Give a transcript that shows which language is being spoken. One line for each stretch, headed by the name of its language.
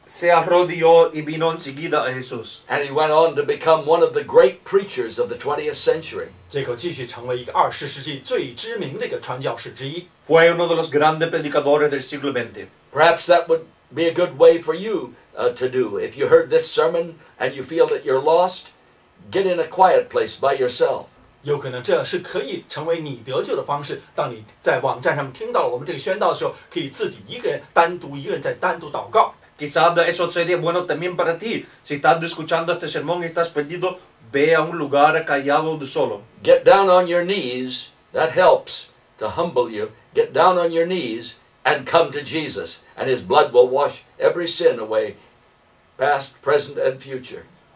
Spanish: Se arrodilló y vino enseguida a Jesús.
English: And he went on to become one of the great preachers of the 20th century.
Chinese: 结果继续成为一个20世纪最知名的一个传教士之一。
Spanish: Fue uno de los grandes predicadores del siglo XX.
English: Perhaps that would be a good way for you to do. If you heard this sermon and you feel that you're lost, get in a quiet place by yourself.
Chinese: 有可能这是可以成为你得救的方式。当你在网站上听到我们这个宣道的时候，可以自己一个人单独一个人在单独祷告。
Spanish: Quizás eso sería bueno también para ti. Si estás escuchando este sermón y estás perdido, ve a un lugar callado solo.
English: Get down on your knees. That helps to humble you. Get down on your knees and come to Jesus, and His blood will wash every sin away, past, present, and future.